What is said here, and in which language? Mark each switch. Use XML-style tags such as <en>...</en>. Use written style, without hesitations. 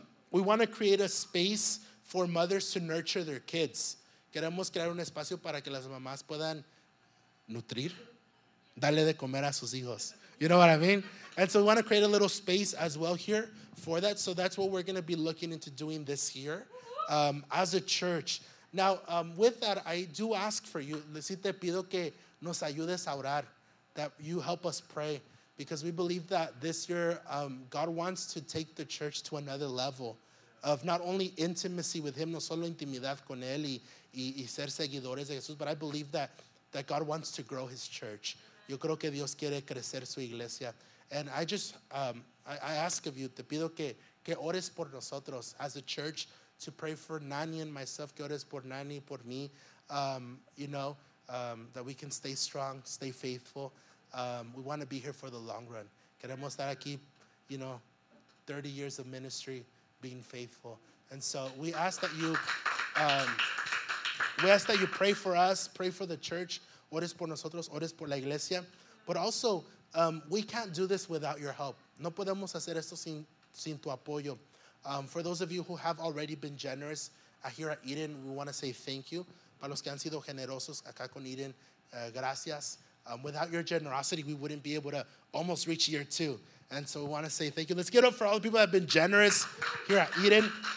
<en>We want to create a space for mothers to nurture their kids.</en> <es>Queremos crear un espacio para que las mamás puedan nutrir, darle de comer a sus hijos.</es> <en>You know what I mean? And so we want to create a little space as well here for that. So that's what we're going to be looking into doing this year as a church. Now, with that, I do ask for you,</en> <es>si te pido que nos ayudes a orar,</es> <en>that you help us pray, because we believe that this year, God wants to take the church to another level of not only intimacy with him,</en> <es>no solo intimidad con él y ser seguidores de Jesús,</es> <en>but I believe that God wants to grow his church.</en> <es>Yo creo que Dios quiere crecer su iglesia.</es> <en>And I just, I ask of you,</en> <es>te pido que ores por nosotros</es> <en>as a church, to pray for Nani and myself,</en> <es>que ores por Nani, por mí,</es> <en>you know, that we can stay strong, stay faithful. We want to be here for the long run.</en> <es>Queremos estar aquí,</es> <en>you know, 30 years of ministry, being faithful. And so we ask that you, we ask that you pray for us, pray for the church,</en> <es>ores por nosotros, ores por la iglesia.</es> <en>But also, we can't do this without your help.</en> <es>No podemos hacer esto sin tu apoyo.</es> <en>For those of you who have already been generous here at Eden, we want to say thank you.</en> <es>Para los que han sido generosos acá con Eden, gracias.</es> <en>Without your generosity, we wouldn't be able to almost reach year two. And so we want to say thank you. Let's give it up for all the people that have been generous here at Eden.</en>